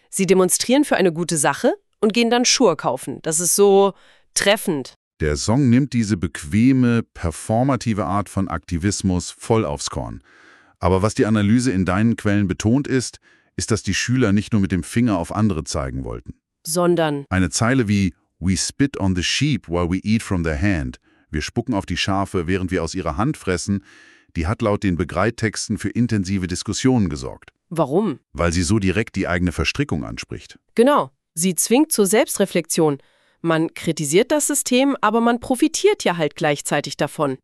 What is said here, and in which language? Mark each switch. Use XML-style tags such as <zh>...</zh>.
<de>Sie demonstrieren für eine gute Sache und gehen dann Schuhe kaufen. Das ist so treffend. Der Song nimmt diese bequeme, performative Art von Aktivismus voll aufs Korn. Aber was die Analyse in deinen Quellen betont ist, dass die Schüler nicht nur mit dem Finger auf andere zeigen wollten. Sondern eine Zeile wie</de> <en>We spit on the sheep while we eat from their hand.</en> <de>Wir spucken auf die Schafe, während wir aus ihrer Hand fressen. Die hat laut den Begleittexten für intensive Diskussionen gesorgt. Warum? Weil sie so direkt die eigene Verstrickung anspricht. Genau. Sie zwingt zur Selbstreflexion. Man kritisiert das System, aber man profitiert ja halt gleichzeitig davon.</de>